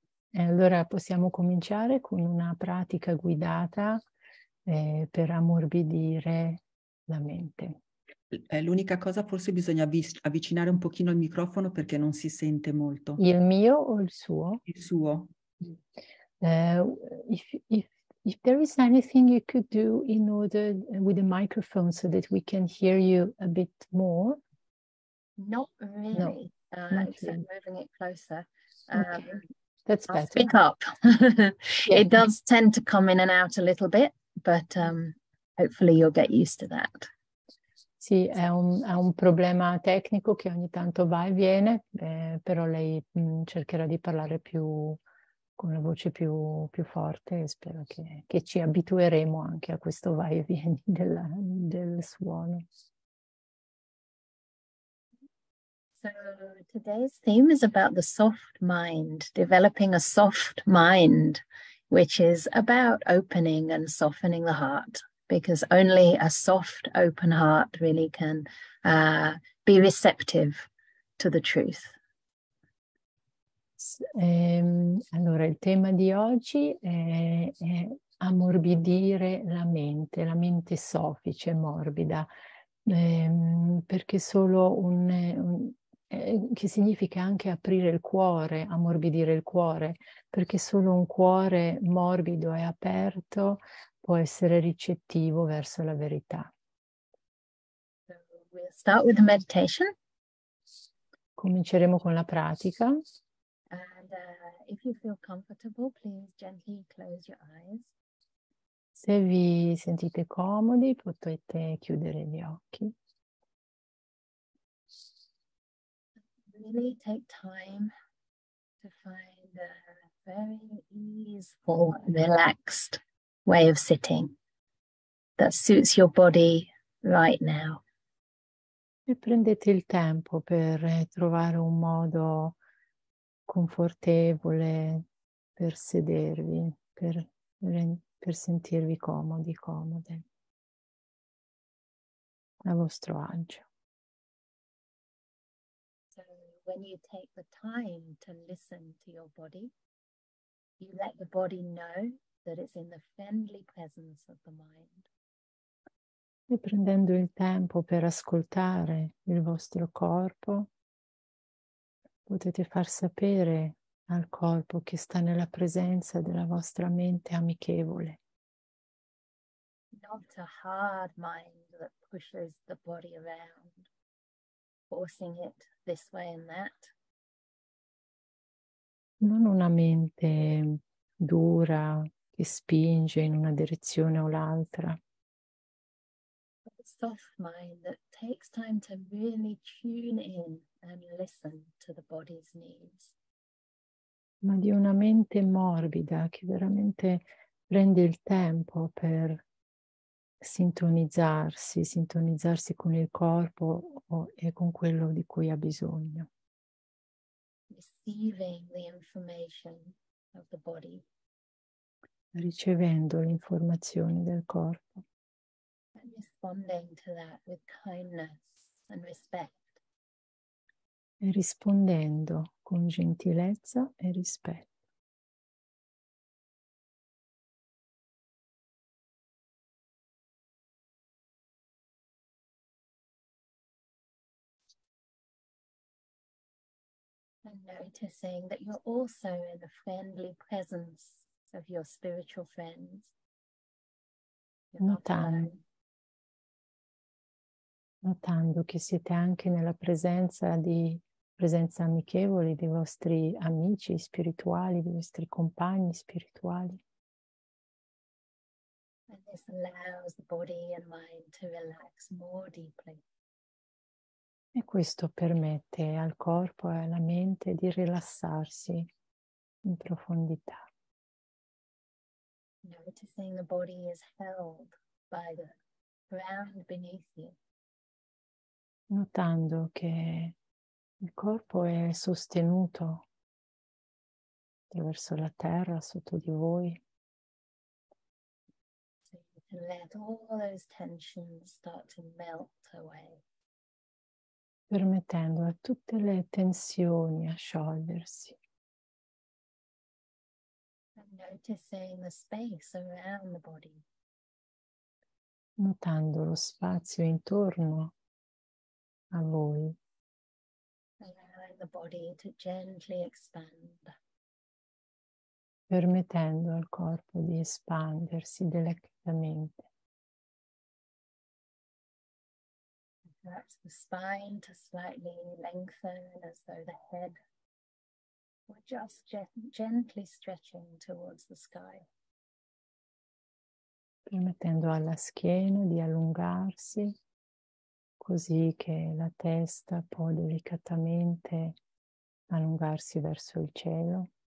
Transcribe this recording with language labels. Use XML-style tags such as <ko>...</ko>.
<it>E allora possiamo cominciare con una pratica guidata per ammorbidire la mente. L'unica cosa, forse bisogna avvicinare un pochino il microfono perché non si sente molto. Il mio o il suo? Il suo.</it> <en>If there is anything you could do in order with the microphone so that we can hear you a bit more. Not really. No, except moving it closer. Okay. That's I'll better. Speak up. It does tend to come in and out a little bit, but hopefully you'll get used to that.</en> <it>Sì, è un problema tecnico che ogni tanto va e viene, però lei cercherà di parlare più con la voce più forte e spero che ci abitueremo anche a questo va e vieni del suono.</it> <en>So today's theme is about the soft mind, developing a soft mind, which is about opening and softening the heart. Because only a soft, open heart really can be receptive to the truth.</en> <it>Allora, il tema di oggi è ammorbidire la mente soffice, morbida, perché solo che significa anche aprire il cuore, ammorbidire il cuore, perché solo un cuore morbido e aperto può essere ricettivo verso la verità.</it> <en>So we'll start with the meditation.</en> <it>Cominceremo con la pratica.</it> <en>And if you feel comfortable, please gently close your eyes.</en> <it>Se vi sentite comodi, potete chiudere gli occhi.</it> <en>Really take time to find a very easeful, relaxed way of sitting that suits your body right now.</en> <it>E prendete il tempo per trovare un modo confortevole per sedervi, per sentirvi comodi, comode, a vostro agio.</it> <en>So when you take the time to listen to your body, you let the body know that it's in the friendly presence of the mind.</en> <it>prendendo il tempo per ascoltare il vostro corpo, potete far sapere al corpo che sta nella presenza della vostra mente amichevole.</it> <en>Not a hard mind that pushes the body around, forcing it this way and that.</en> <it>Non una mente dura che spinge in una direzione o l'altra.</it> <en>A soft mind that takes time to really tune in and listen to the body's needs.</en> <it>Ma di una mente morbida che veramente prende il tempo per sintonizzarsi con il corpo e con quello di cui ha bisogno.</it> <en>Receiving the information of the body.</en> <it>Ricevendo l'informazione del corpo.</it> <en>And responding to that with kindness and respect.</en> <it>E rispondendo con gentilezza e rispetto.</it> <en>And noticing that you're also in the friendly presence of your spiritual friends.</en> <it>Notando che siete anche nella presenza amichevole dei vostri amici spirituali, dei vostri compagni spirituali.</it> <en>And this allows the body and mind to relax more deeply.</en> <it>E questo permette al corpo e alla mente di rilassarsi in profondità.</it> <en>Noticing the body is held by the ground beneath you.</en> <it>Notando che il corpo è sostenuto attraverso la terra sotto di voi.</it> <en>So you can let all those tensions start to melt away.</en> <it>Permettendo a tutte le tensioni a sciogliersi.</it> <en>And noticing the space around the body.</en> <it>Notando lo spazio intorno a voi,</it> <en>allowing the body to gently expand,</en> <it>permettendo al corpo di espandersi delicatamente.</it> <en>Perhaps the spine to slightly lengthen as though the head were just gently stretching towards the sky.</en> <it>Permettendo alla schiena di allungarsi, così che la testa può delicatamente allungarsi verso il cielo.</it>